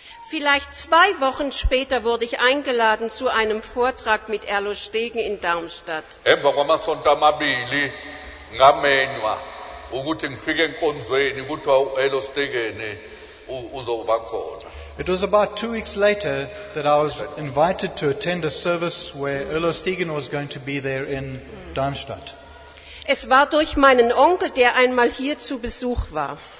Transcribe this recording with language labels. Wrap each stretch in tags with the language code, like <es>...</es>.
<de>Vielleicht 2 Wochen später wurde ich eingeladen zu einem Vortrag mit Erlo Stegen in Darmstadt.</de> <en>It was about 2 weeks later that I was invited to attend a service where Erlo Stegen was going to be there in Darmstadt.</en> <de>Es war durch meinen Onkel, der einmal hier zu Besuch war.</de>